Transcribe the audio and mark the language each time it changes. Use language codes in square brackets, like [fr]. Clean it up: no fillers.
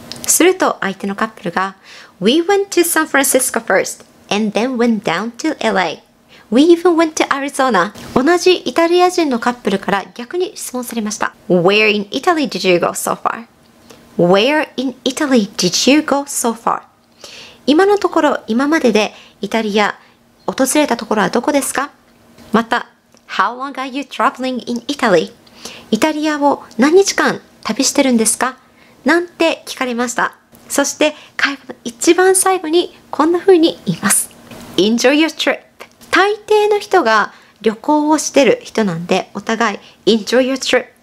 [ja] すると相手のカップルが [en] We went to San Francisco first and then went down to LA. We even went to Arizona. [ja] 同じイタリア人のカップルから逆に質問されました。 [en] Where in Italy did you go so far? Where in Italy did you go so far? [ja] 今のところ今まででイタリア訪れたところはどこですか? また [en] How long are you traveling in Italy? [ja] イタリアを何日間旅してるんですか?なんて聞かれました。そして会話の一番最後にこんな風に言います。 [en] Enjoy your trip! [ja] 大抵の人が旅行をしてる人なんでお互い Enjoy your trip!